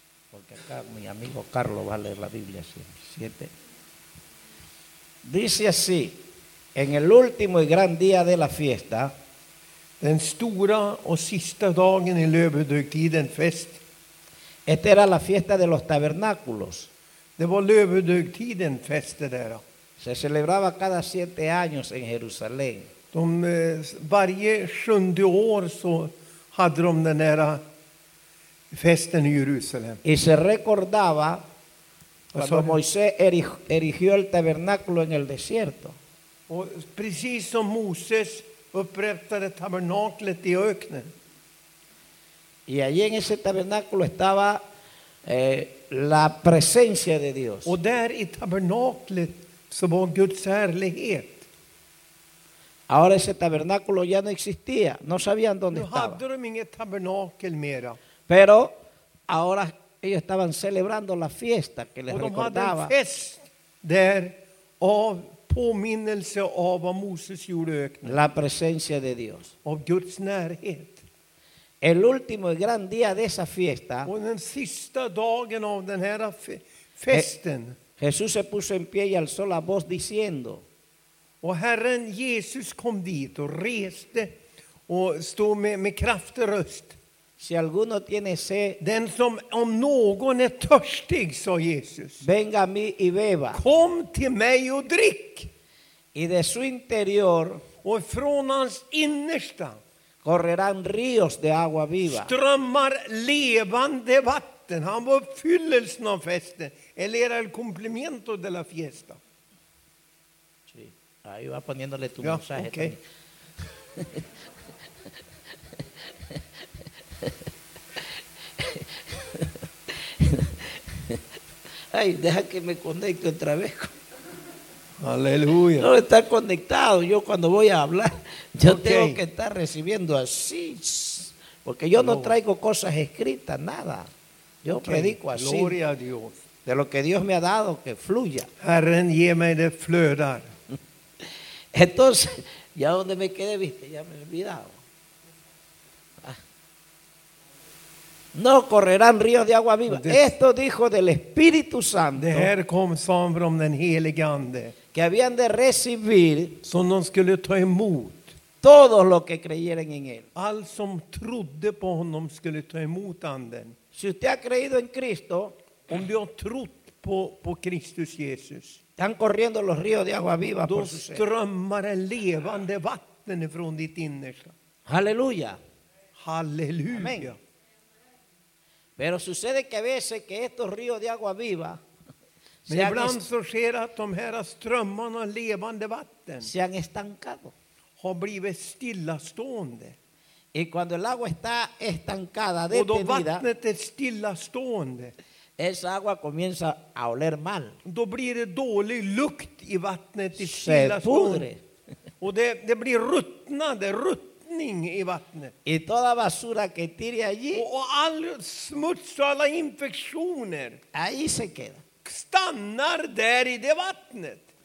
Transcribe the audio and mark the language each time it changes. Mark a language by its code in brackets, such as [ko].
[es] porque acá mi amigo Carlos va a leer la Biblia. Siete. Dice así: en el último y gran día de la fiesta, [sv] den stora och sista dagen i löbedögtiden fest. [es] Esta era la fiesta de los tabernáculos. [sv] Det var löbedögtiden fest där. [es] Se celebraba cada siete años en Jerusalén. [sv] De, varje sjunde år så hade de den här festen i Jerusalem. [es] Y se recordaba cuando Moisés erigió el tabernáculo en el desierto. [sv] Och precis som Moses upprättade tabernaklet i öknen. [es] Y allí en ese tabernáculo estaba la presencia de Dios. [sv] Och där i tabernaklet så var Guds härlighet. [es] Ahora ese tabernáculo ya no existía, no sabían dónde estaba. [sv] Nu hade de inget tabernakel mera. [es] Pero ahora ellos estaban celebrando la fiesta que les recordaba. [sv] Och de hade en fest där av påminnelse av vad Moses gjorde i öknen. [es] La presencia de Dios. [sv] Av Guds närhet. [es] El último y gran día de esa fiesta. [sv] Och den sista dagen av den här festen. [es] Jesús se puso en pie y alzó la voz diciendo. [sv] Och Herren Jesus kom dit och reste och stod med kraft och röst. [es] Si alguno tiene sed, [sv] den som om någon är törstig, sa Jesus. [es] Venga a mí y beba. [sv] Kom till mig och drick. [es] Y de su interior, [sv] och från hans innersta. [es] Correrán ríos de agua viva. [sv] Strömmar levande vatten. Han var uppfyllelsen av festen. [es] Eller era el cumplimiento de la fiesta. Sí. Ahí va poniéndole tu mensaje. Okay. Ay, deja que me conecte otra vez. Aleluya. No está conectado. Yo cuando voy a hablar, yo okay. Tengo que estar recibiendo así, porque yo no traigo cosas escritas, nada. Yo okay. Predico así. Gloria a Dios. De lo que Dios me ha dado, que fluya. [sv] Herren, geme de flödar. [es] Entonces, ya donde me quedé, viste, ya me he olvidado. No correrán ríos de agua viva. Esto dijo del Espíritu Santo. [sv] Det här kom som från den helige ande. [es] Que habían de recibir [sv] som de skulle ta emot. [es] Todos los que creyeran en él. [sv] All som trodde på honom skulle ta emot anden. [es] Si usted ha creído en Cristo, [sv] om du har trott på Kristus Jesus, [es] están corriendo los ríos de agua viva [sv] då strömmar det levande vatten ifrån ditt innersta. Halleluja. Halleluja. Amen. [es] Pero sucede que a veces que estos ríos de agua viva [sv] men ibland så sker att de här strömmarna av levande vatten [es] se han estancado. [sv] Har blivit stillastående. [es] Y cuando el agua está estancada, detenida, [sv] och då vattnet är stillastående, [es] esa agua comienza a oler mal. [sv] Då blir det dålig lukt i vattnet i stillastående. Och det blir ruttnade, rutt. I vattnet. [es] Y toda basura que tire allí. [sv] Och all smuts och alla infektioner. [es] Ahí se queda. [sv] Stannar där i det vattnet.